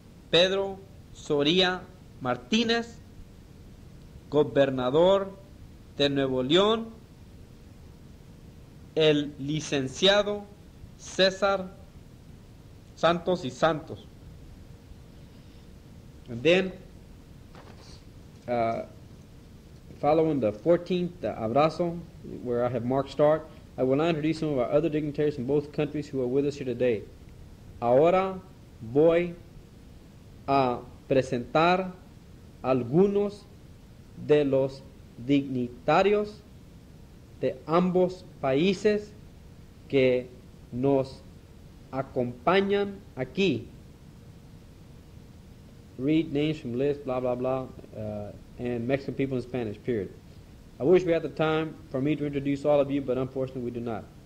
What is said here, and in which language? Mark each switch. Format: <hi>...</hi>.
<es>Pedro Soria Martínez, gobernador de Nuevo León, el licenciado César Santos y Santos.</es> <en>And then, following the 14th abrazo, where I have Mark Stark, I will now introduce some of our other dignitaries from both countries who are with us here today.</en> <es>Ahora voy a presentar algunos de los dignitarios de ambos países que nos acompañan aquí.</es> <en>Read names from list, blah, blah, blah, and Mexican people in Spanish, period. I wish we had the time for me to introduce all of you, but unfortunately we do not.</en>